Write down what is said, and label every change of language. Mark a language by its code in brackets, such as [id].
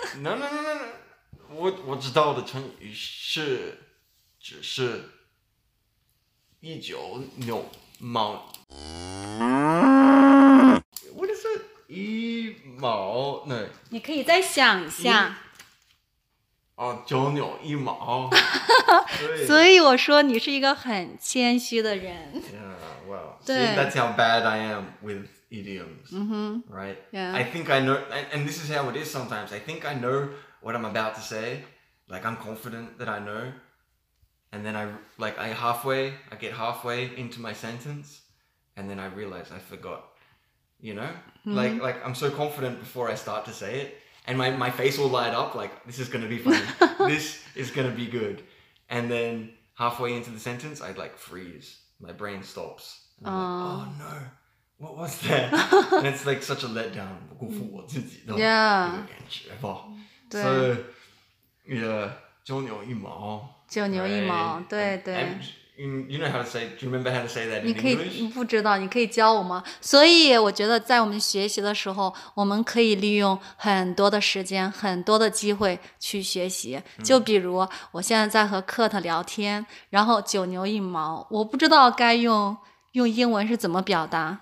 [zh] No, 我知道的成语是只是一酒有毛。我就是一毛那。你可以再想一下。啊，九牛一毛。所以我说你是一个很谦虚的人。 [en] Yeah, well, see, that's how bad I am with idioms, right? Yeah. I think I know, and this is how it is sometimes, I think I know what I'm about to say, like I'm confident that I know, and then I get halfway into my sentence, and then I realize I forgot, you know? Mm-hmm. Like I'm so confident before I start to say it,And my face will light up, like, this is going to be funny. This is going to be good. And then halfway into the sentence, I'd like freeze. My brain stops. And I'm like, oh no, what was that? And it's like such a letdown. Yeah. So, yeah. 九牛一毛 [zh] 九牛一毛对对 [en] You know how to say, do you remember how to say that in [zh] 你可以 [en] English? [zh] 不知道你可以教我吗所以我觉得在我们学习的时候我们可以利用很多的时间很多的机会去学习就比如我现在在和科特聊天然后九牛一毛我不知道该用英文是怎么表达、